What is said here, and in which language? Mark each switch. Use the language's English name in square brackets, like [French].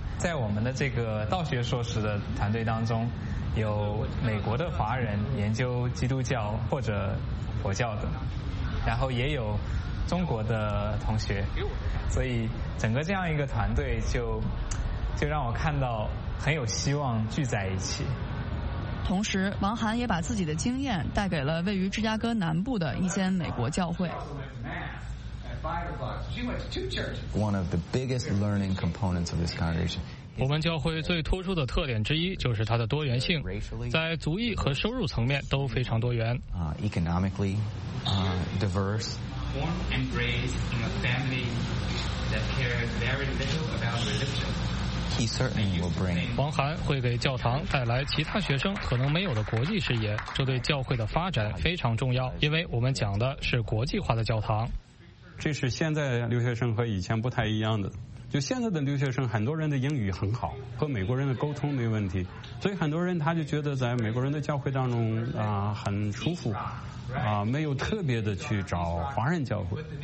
[Chinese] 在我们的这个道学硕士的团队当中，有美国的华人研究基督教或者佛教的，然后也有中国的同学，所以整个这样一个团队就让我看到很有希望聚在一起。同时王涵也把自己的经验带给了位于芝加哥南部的一间美国教会。 [English] One of the biggest learning components of this congregation. [Chinese] 我们教会最突出的特点之一就是它的多元性，在族裔和收入层面都非常多元。 [English] Economically diverse. Born and raised in a family that cared very little about religion. [Chinese] 王涵会给教堂带来其他学生可能没有的国际视野，这对教会的发展非常重要，因为我们讲的是国际化的教堂。这是现在留学生和以前不太一样的，就现在的留学生很多人的英语很好，和美国人的沟通没问题，所以很多人他就觉得在美国人的教会当中很舒服没有特别的去找华人教会。